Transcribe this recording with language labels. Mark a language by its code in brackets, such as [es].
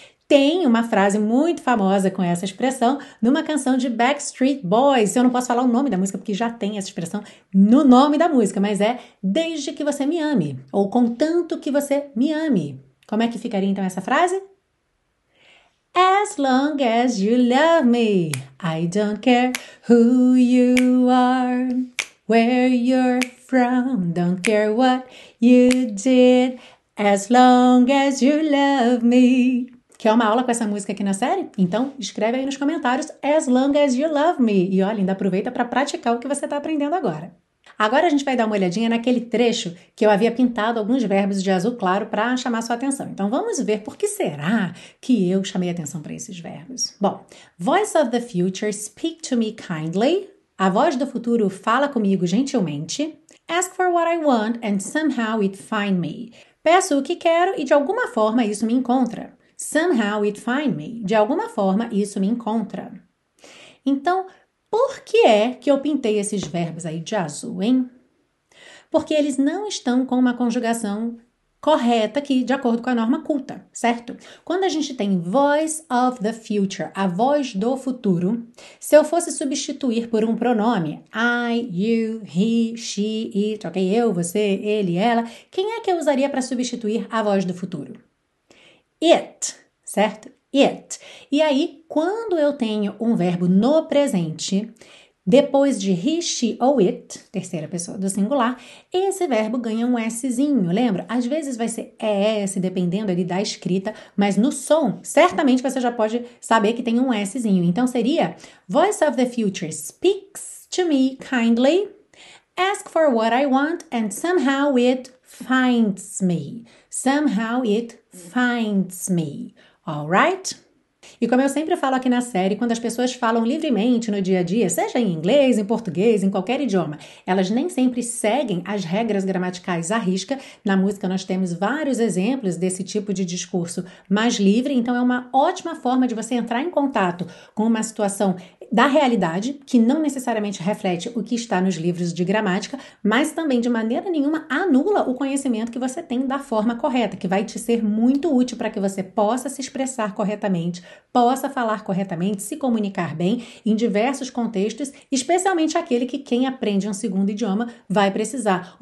[pt] Tem uma frase muito famosa com essa expressão numa canção de Backstreet Boys. Eu não posso falar o nome da música porque já tem essa expressão no nome da música, mas é desde que você me ame ou contanto que você me ame, Como é que ficaria então essa frase? [en] As long as you love me, I don't care who you are, where you're from, don't care what you did, as long as you love me. [pt] Quer uma aula com essa música aqui na série? Então escreve aí nos comentários As Long As You Love Me. E olha, ainda aproveita para praticar o que você está aprendendo agora. Agora a gente vai dar uma olhadinha naquele trecho que eu havia pintado alguns verbos de azul claro para chamar sua atenção. Então vamos ver por que será que eu chamei atenção para esses verbos. [en] Bom, Voice of the Future, speak to me kindly. [pt] A voz do futuro fala comigo gentilmente. [en] Ask for what I want and somehow it find me. [pt] Peço o que quero e de alguma forma isso me encontra. [en] Somehow it find me. [pt] De alguma forma, isso me encontra. Então, por que é que eu pintei esses verbos aí de azul, hein? Porque eles não estão com uma conjugação correta aqui, de acordo com a norma culta, certo? Quando a gente tem [en] voice of the future, [pt] a voz do futuro, se eu fosse substituir por um pronome, I, you, he, she, it, ok? Eu, você, ele, ela, quem é que eu usaria para substituir a voz do futuro? It, certo? It. E aí, quando eu tenho um verbo no presente, depois de he, she ou it, terceira pessoa do singular, esse verbo ganha um Szinho, lembra? Às vezes vai ser ES, dependendo ali da escrita, mas no som, certamente você já pode saber que tem um Szinho. Então seria, [en] Voice of the future speaks to me kindly, ask for what I want and somehow it finds me. Somehow it finds me. Alright? [pt] E como eu sempre falo aqui na série, quando as pessoas falam livremente no dia a dia, seja em inglês, em português, em qualquer idioma, elas nem sempre seguem as regras gramaticais à risca. Na música nós temos vários exemplos desse tipo de discurso mais livre, então é uma ótima forma de você entrar em contato com uma situação da realidade, que não necessariamente reflete o que está nos livros de gramática, mas também de maneira nenhuma anula o conhecimento que você tem da forma correta, que vai te ser muito útil para que você possa se expressar corretamente, possa falar corretamente, se comunicar bem em diversos contextos, especialmente aquele que quem aprende um segundo idioma vai precisar.